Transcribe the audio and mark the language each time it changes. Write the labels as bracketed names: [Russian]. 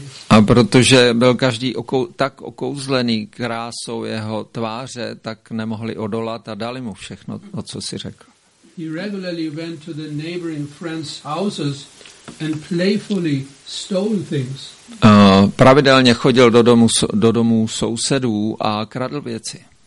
[Czech] A protože byl každý tak okouzlený krásou jeho tváře, tak nemohli odolat a dali mu všechno, o co si řekl. [English] He regularly went to the neighboring friends' houses and playfully stole things. [Czech] Pravidelně chodil do domů sousedů a kradl věci.